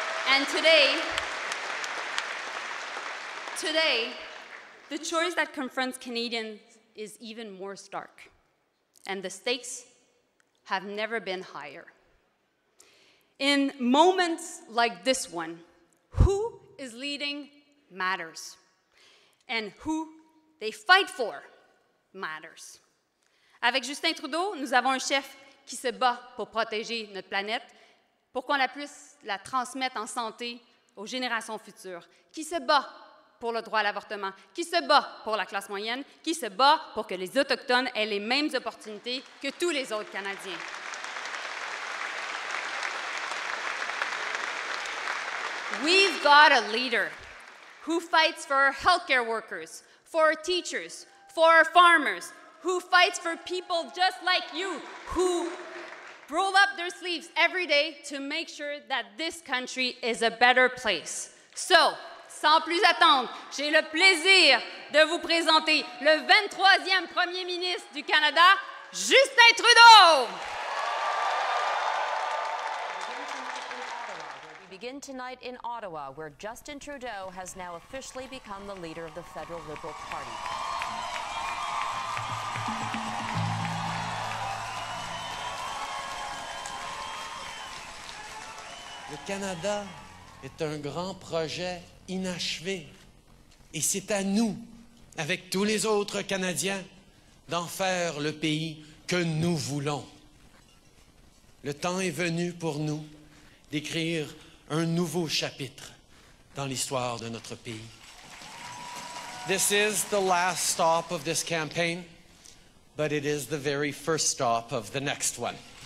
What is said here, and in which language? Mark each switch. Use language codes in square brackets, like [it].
[en] And today, the choice that confronts Canadians is even more stark. And the stakes have never been higher. In moments like this one, who is leading matters. And who they fight for matters. [fr] Avec Justin Trudeau, nous avons un chef qui se bat pour protéger notre planète, pour qu'on la puisse la transmettre en santé aux générations futures, qui se bat pour le droit à l'avortement, qui se bat pour la classe moyenne, qui se bat pour que les Autochtones aient les mêmes opportunités que tous les autres Canadiens. [en] We've got a leader who fights for our healthcare workers, for our teachers, for our farmers, who fights for people just like you, who roll up their sleeves every day to make sure that this country is a better place. [fr] So, sans plus attendre, j'ai le plaisir de vous présenter le 23e Premier ministre du Canada, Justin Trudeau! [en] We begin tonight in Ottawa, where Justin Trudeau has now officially become the leader of the Federal Liberal Party. [fr] Le Canada est un grand projet inachevé. Et c'est à nous, avec tous les autres Canadiens, d'en faire le pays que nous voulons. Le temps est venu pour nous d'écrire un nouveau chapitre dans l'histoire de notre pays. [en] This is the last stop of this campaign, but it is the very first stop of the next one.